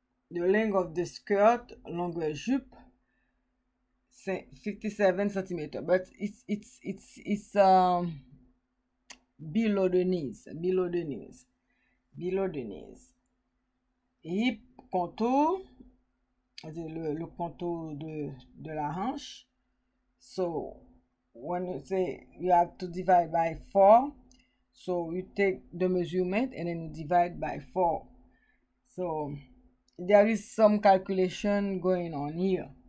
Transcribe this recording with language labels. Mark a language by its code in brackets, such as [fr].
[en] The length of the skirt, longer jupe, 57 centimeters, but it's below the knees. Hip contour, [fr] c'est le contour de la hanche. [en] So when you say you have to divide by 4, so you take the measurement and then you divide by 4. So there is some calculation going on here.